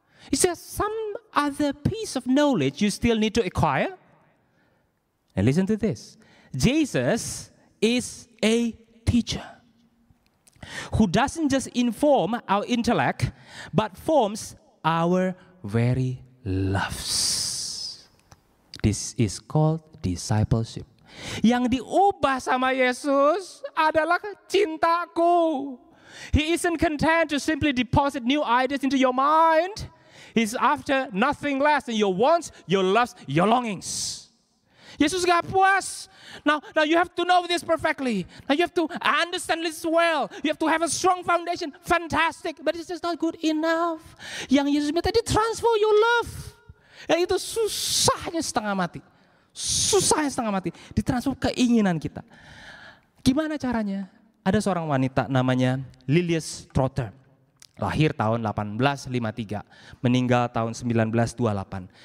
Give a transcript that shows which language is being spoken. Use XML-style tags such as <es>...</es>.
<en>Is there some other piece of knowledge you still need to acquire? And listen to this. Jesus is a teacher who doesn't just inform our intellect, but forms our very loves. This is called discipleship.</en> <id>Yang diubah sama Yesus adalah cintaku.</id> <en>He isn't content to simply deposit new ideas into your mind. He's after nothing less than your wants, your loves, your longings.</en> <id>Yesus gak puas.</id> <en>Now you have to know this perfectly. Now you have to understand this well. You have to have a strong foundation. Fantastic. But it's just not good enough.</en> <id>Yang Yesus minta di transfer</id> <en>your love.</en> <id>Ya itu susahnya setengah mati. Susahnya setengah mati. Ditransfer keinginan kita. Gimana caranya? Ada seorang wanita namanya Lilias Trotter. Lahir tahun 1853. Meninggal tahun 1928.</id>